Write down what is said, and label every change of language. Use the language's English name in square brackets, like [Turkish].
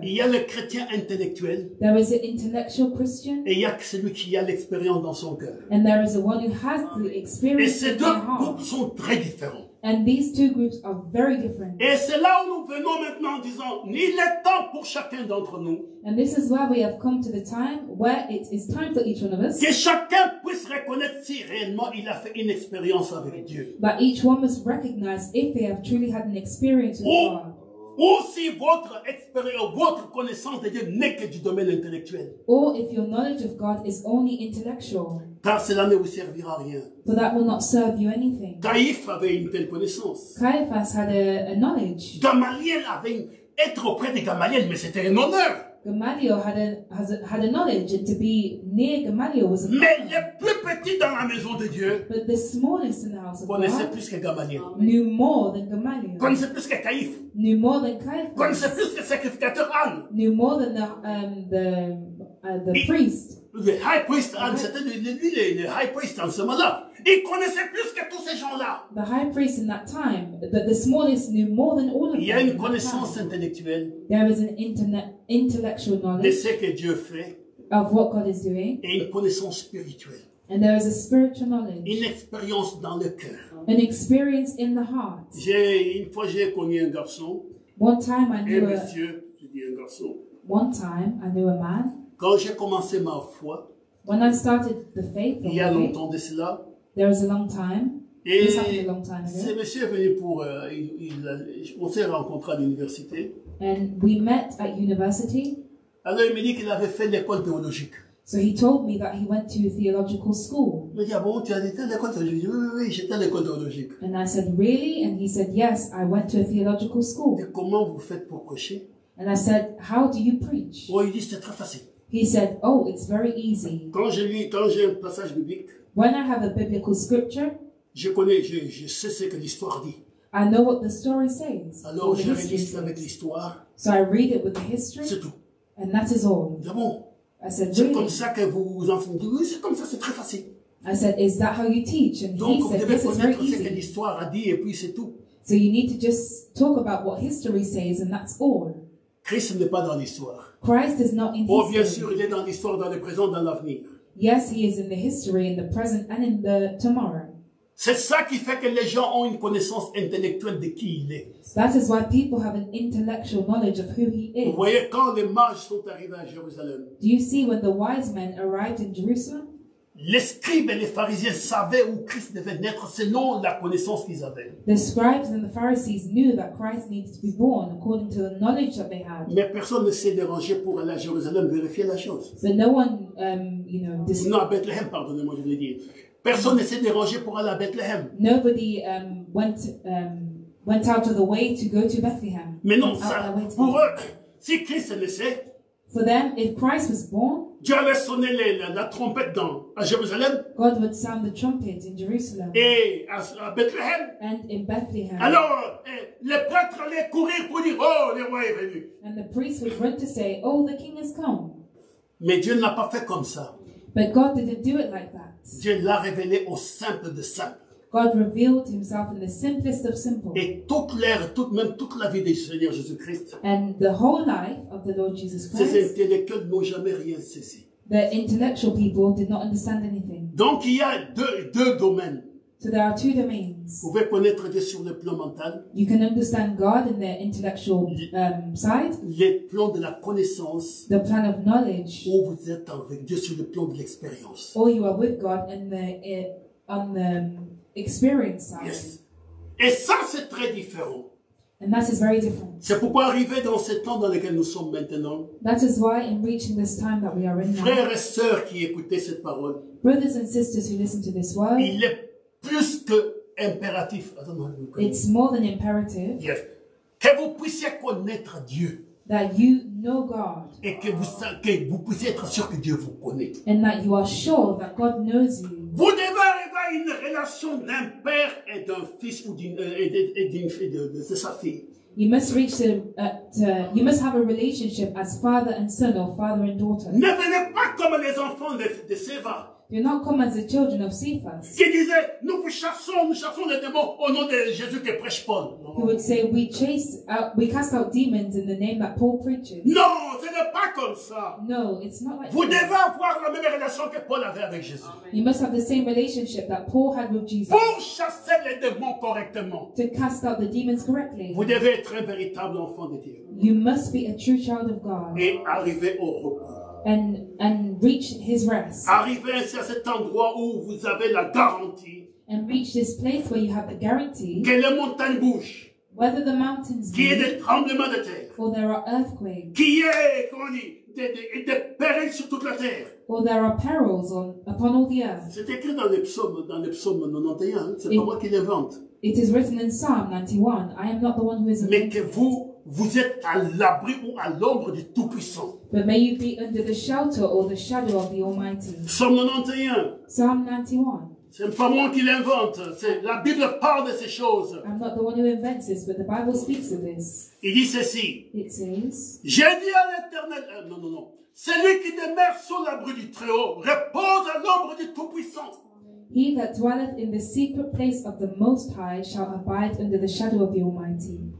[French] Il y a le chrétien intellectuel. [English] There is an intellectual Christian. [French] Et il y a celui qui a l'expérience dans son cœur. [English] And there is the one who has the experience in their heart. [French] Et ces deux groupes sont très différents. [English] And these two groups are very different. [French] Et c'est là où nous venons maintenant en disant, il est temps pour chacun d'entre nous. [English] And this is where we have come to the time where it is time for each one of us. [French] Que chacun puisse reconnaître si réellement il a fait une expérience avec Dieu. [English] But each one must recognize if they have truly had an experience with God. [French] Ou si votre expérience, votre connaissance de Dieu n'est que du domaine intellectuel. [English] Or if your knowledge of God is only intellectual. [French] Car cela ne vous servira rien. [English] For that will not serve you anything. [French] Caïphe avait une telle connaissance. [English] Caiaphas had a knowledge. [French] Gamaliel avait être auprès de Gamaliel, mais c'était un honneur. [English] Gamaliel had a knowledge, and to be near Gamaliel was a honor. [French] Mais le plus petit dans la maison de Dieu. [English] But the smallest in the house of God. [French] Connaissait plus que Gamaliel. [English] Knew more than Gamaliel. [French] Connaissait plus que Caïphe. [English] Knew more than Caiaphas. [French] Connaissait plus que sacrificateur Anne. [English] Knew more than the priest. [French] Le [English] high priest, [French] c'était le high priest en ce moment-là. Il connaissait plus que tous ces gens-là. [English] The high priest in that time, but the smallest knew more than all of them. [French] Il y a une connaissance intellectuelle. [English] There was an intellectual knowledge. [French] De ce que Dieu fait. [English] Of what God is doing. [French] Et une connaissance spirituelle. [English] And there was a spiritual knowledge. [French] Une expérience dans le cœur. [English] An experience in the heart. [French] Une fois j'ai connu un garçon. [English] One time I knew [French] un garçon. [English] One time I knew a man. [French] Quand j'ai commencé ma foi, [English] when I started the faith, [French] il y a longtemps de cela, [English] there was a long time, [French] et [English] this happened a long time ago. [French] Ce monsieur est venu pour, on s'est rencontré à l'université. [English] And we met at university. [French] Alors il me dit qu'il avait fait l'école théologique. [English] So he told me that he went to a theological school. [French] Il me dit, ah bon, tu as été à l'école théologique? Oui, j'étais à l'école théologique. [English] And I said, really? And he said, yes, I went to a theological school. [French] Et comment vous faites pour prêcher? [English] And I said, how do you preach? [French] Oh, il dit, c'est très facile. [English] He said, oh, it's very easy. [French] Quand j'ai un passage biblique, [English] when I have a biblical scripture, [French] je sais ce que l'histoire dit. [English] I know what the story says. [French] Alors je relis avec l'histoire. [English] So I read it with the history. [French] C'est tout. [English] And that is all. [French] C'est bon. [English] I said, [French] c'est comme ça que vous enseignez. Oui, c'est comme ça, c'est très facile. [English] I said, is that how you teach? And [French] donc, [English] he said, [French] vous devez [English] this [French] connaître [English] is very [French] ce que l'histoire a dit et puis c'est tout. [English] So you need to just talk about what history says and that's all. [French] Christ n'est pas dans l'histoire. [English] Christ is not in [French] history. Oh, bien sûr, il est dans l'histoire, dans le présent, dans l'avenir. [English] Yes, he is in the history, in the present, and in the tomorrow. [French] C'est ça qui fait que les gens ont une connaissance intellectuelle de qui il est. [English] That is why people have an intellectual knowledge of who he is. [French] Vous voyez, quand les mages sont arrivés à Jérusalem. [English] Do you see when the wise men arrived in Jerusalem? [French] Les scribes et les pharisiens savaient où Christ devait naître selon la connaissance qu'ils avaient. [English] The scribes and the Pharisees knew that Christ needed to be born according to the knowledge that they had. [French] Mais personne ne s'est dérangé pour aller à Jérusalem vérifier la chose. [English] But no one, [French] Non, à Bethlehem, pardonnez-moi, je l'ai dit. Personne ne s'est dérangé pour aller à Bethlehem. [English] Nobody went out of the way to go to Bethlehem. [French] Mais non, ça, pour eux, si Christ naissait. [English] For them, if Christ was born. [French] Dieu allait sonner la trompette à Jérusalem. [English] God would sound the trumpet in Jerusalem. [French] Et à Bethlehem. [English] And in Bethlehem. [French] Alors, les prêtres allaient courir pour dire, oh, le roi est venu. [English] And the priest would run to say, oh, the king has come. [French] Mais Dieu ne l'a pas fait comme ça. [English] But God didn't do it like that. [French] Dieu l'a révélé au simple de simple. [English] God revealed himself in the simplest of simple. [French] Et toute l'ère, même toute la vie du Seigneur Jésus-Christ. [English] And the whole life of the Lord Jesus Christ. [French] Ces intellectuels n'ont jamais rien saisi. [English] The intellectual people did not understand anything. [French] Donc il y a deux domaines. [English] So there are two domains. [French] Vous pouvez connaître Dieu sur le plan mental. [English] You can understand God in the intellectual side. [French] Le plan de la connaissance. [English] The plan of knowledge. [French] Ou vous êtes avec Dieu sur le plan de l'expérience. [English] Or you are with God in the on the experience side. Yes. [French] Et ça, c'est très différent. [English] And that is very different. [French] C'est pourquoi arriver dans ce temps dans lequel nous sommes maintenant. [English] That is why in reaching this time that we are in. [French] Frères et sœurs qui écoutaient cette parole. [English] Brothers and sisters who listen to this word. [French] Il est plus que impératif. [English] It's more than imperative. Yes. [French] Que vous puissiez connaître Dieu. [English] That you know God. [French] Et que vous puissiez être sûr que Dieu vous connaît. [English] And that you are sure that God knows you. [French] Vous devez arriver une relation d'un père et d'un fils ou d'une sa fille. [English] You must reach the, you must have a relationship as father and son or father and daughter. [French] Ne venez pas comme les enfants de Séva. [English] You're not come as the children of Cephas. [French] Qui disait, nous vous chassons, les démons au nom de Jésus que prêche Paul. [English] He would say, we cast out demons in the name that Paul preaches. [French] Non, ce n'est pas comme ça. [English] No, it's not like vous that. [French] Vous devez avoir la même relation que Paul avait avec Jésus. Amen. [English] You must have the same relationship that Paul had with Jesus. [French] Pour chasser les démons correctement. [English] To cast out the demons correctly. [French] Vous devez être un véritable enfant de Dieu. [English] You must be a true child of God. [French] Et arriver au repos. [English] And reach his rest. [French] Arrivez ainsi à cet endroit où vous avez la garantie. [English] And reach this place where you have the guarantee. [French] Que les montagnes bougent. [English] Whether the mountains [French] move. Qu'il y ait des tremblements de terre. [English] Or there are earthquakes. [French] Qu'il y ait, comment on dit, des périls sur toute la terre. [English] Or there are perils upon all the earth. [French] C'est écrit dans les psaumes, psaume 91. C'est pas moi qui l'invente. [English] It is written in Psalm 91. I am not the one who is. [French] Mais que vous. Vous êtes à l'abri ou à l'ombre du Tout-Puissant. [English] But may you be under the shelter or the shadow of the Almighty. [French] Psalm 91. C'est pas moi qui l'invente. C'est la Bible parle de ces choses. [English] I'm not the one who invents this, but the Bible speaks of this. [French] Il dit ceci. [English] It says. [French] J'ai dit à l'Éternel. Non. Celui qui demeure sous l'abri du Très-Haut repose à l'ombre du Tout-Puissant. [English] He that dwelleth in the secret place of the Most High shall abide under the shadow of the Almighty.